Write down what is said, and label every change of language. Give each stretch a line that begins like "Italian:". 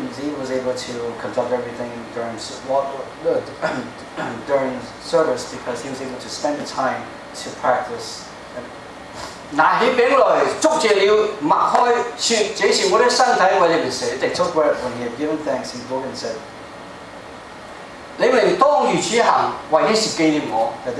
English: Z was able to conduct everything during service because he was able to spend the time to practice.
Chinese: 拿起饼来，捉住了，擘开说：这是我的身体，为你们舍的。
English: When he had given thanks, he broke and said,
Chinese: "你们当如此行，为的是纪念我。